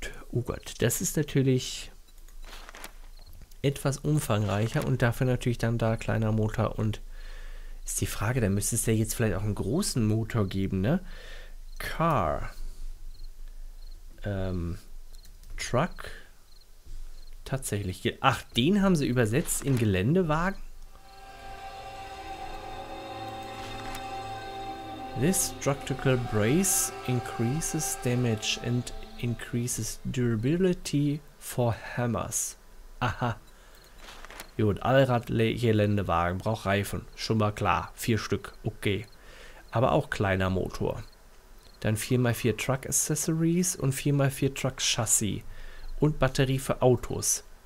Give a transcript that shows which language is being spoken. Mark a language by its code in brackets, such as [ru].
[de] Oh Gott, das ist natürlich etwas umfangreicher und dafür natürlich dann da kleiner Motor und ist die Frage, dann müsste es ja jetzt vielleicht auch einen großen Motor geben, ne? [en] Car. [de] Truck. Tatsächlich. Ach, den haben sie übersetzt in Geländewagen? [en] This structural brace increases damage and increases durability for hammers. [de] Aha. Gut, Allrad-Geländewagen, braucht Reifen, schon mal klar, 4 Stück, okay. Aber auch kleiner Motor. Dann 4x4 Truck Accessories und 4x4 Truck Chassis und Batterie für Autos.